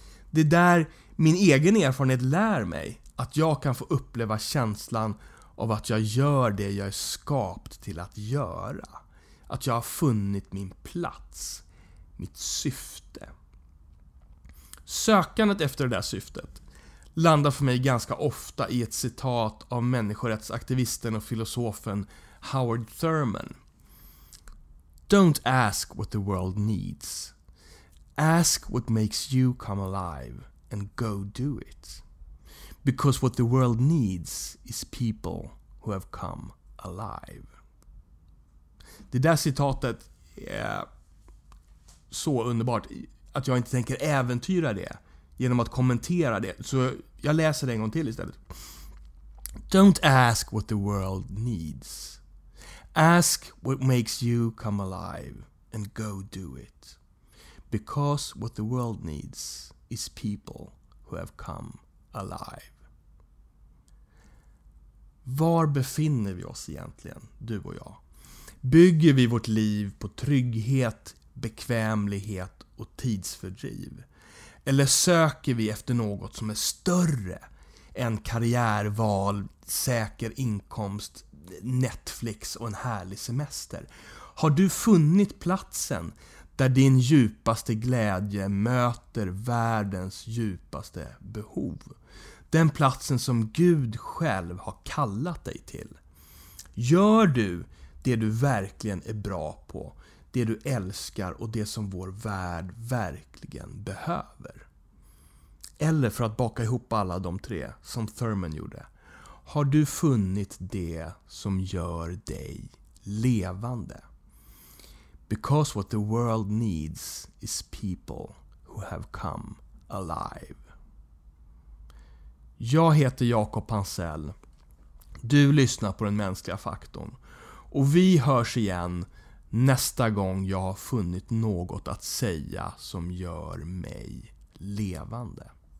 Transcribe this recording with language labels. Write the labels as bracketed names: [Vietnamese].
[Swedish] Det är där min egen erfarenhet lär mig att jag kan få uppleva känslan av att jag gör det jag är skapt till att göra. Att jag har funnit min plats, mitt syfte. Sökandet efter det där syftet landar för mig ganska ofta i ett citat av människorättsaktivisten och filosofen Howard Thurman. [English] "Don't ask what the world needs. Ask what makes you come alive and go do it. Because what the world needs is people who have come alive." [Swedish] Det där citatet är så underbart att jag inte tänker äventyra det genom att kommentera det. Så jag läser det en gång till istället. [English] "Don't ask what the world needs. Ask what makes you come alive and go do it. Because what the world needs is people who have come alive." [Swedish] Var befinner vi oss egentligen, du och jag? Bygger vi vårt liv på trygghet, bekvämlighet och tidsfördriv? Eller söker vi efter något som är större än karriärval, säker inkomst, Netflix och en härlig semester? Har du funnit platsen där din djupaste glädje möter världens djupaste behov? Den platsen som Gud själv har kallat dig till. Gör du det du verkligen är bra på, det du älskar och det som vår värld verkligen behöver? Eller för att baka ihop alla de tre som Thurman gjorde, har du funnit det som gör dig levande? [English] Because what the world needs is people who have come alive. [Swedish] Jag heter Jakob Hansell. Du lyssnar på Den mänskliga faktorn. Och vi hörs igen nästa gång jag har funnit något att säga som gör mig levande.